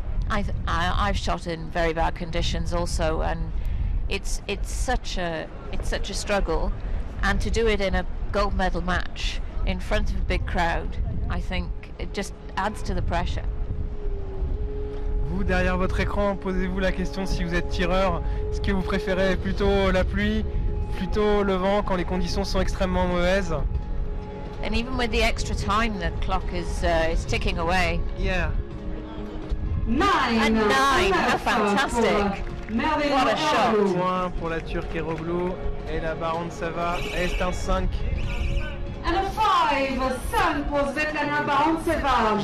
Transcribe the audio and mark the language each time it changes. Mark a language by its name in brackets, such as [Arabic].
[English] I've shot in very bad conditions also, and it's such a struggle, and to do it in a gold medal match in front of a big crowd, I think it just adds to the pressure. [French] Vous, derrière votre écran, posez-vous la question si vous êtes tireur, est-ce que vous préférez plutôt la pluie, plutôt le vent quand les conditions sont extrêmement mauvaises? [English] And even with the extra time, the clock is ticking away. Yeah. 9! How fantastic! What a shot! [French] 2 points pour la Turque Eroglou. Et la baronne Sava est un 5. [English] And a 5, 5 pour Svetlana Baronceva.